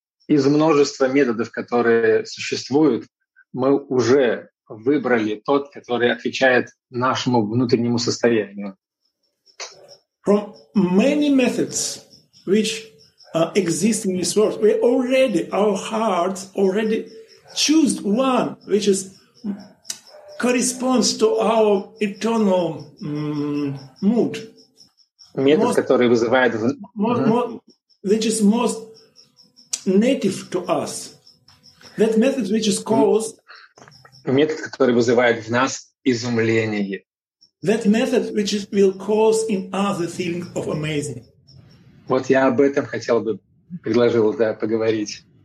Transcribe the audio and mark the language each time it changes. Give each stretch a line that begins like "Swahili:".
Russian: Из множества методов, которые существуют, мы уже выбрали тот, который отвечает нашему внутреннему состоянию.
English: From many methods which exist in this world, we already, our hearts already choose one which is corresponds to our eternal mood.
Russian: Метод,
English: most,
Russian: который вызывает...
English: Which is most native to us. That method which is caused...
Russian: Метод, который вызывает в нас изумление.
English: That method which is, will cause in us the feeling of amazing.
Russian: Вот я об этом хотел бы, предложил, да, поговорить.